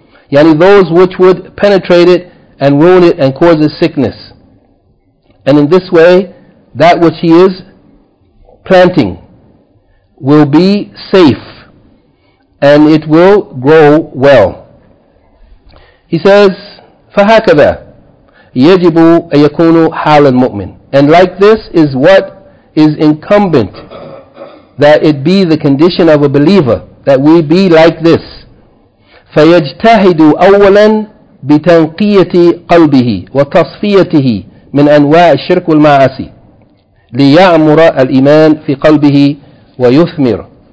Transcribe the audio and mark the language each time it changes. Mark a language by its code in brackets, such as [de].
[en] Yani those which would penetrate it and ruin it and cause it sickness. And in this way, that which he is planting will be safe and it will grow well. He says, [ar] فَهَكَذَا يَجِبُ أَيَكُونُ حَالَ الْمُؤْمِنِ. [en] And like this is what is incumbent, that it be the condition of a believer, that we be like this. [ar] فَيَجْتَهِدُ أَوَّلًا بِتَنْقِيَةِ قَلْبِهِ وَتَصْفِيَتِهِ مِنْ أَنْوَاعِ الشِّرْكُ وَالْمَعَاسِ لِيَعْمُرَ الْإِيمَانِ فِي قَلْبِهِ وَيُثْمِرَ.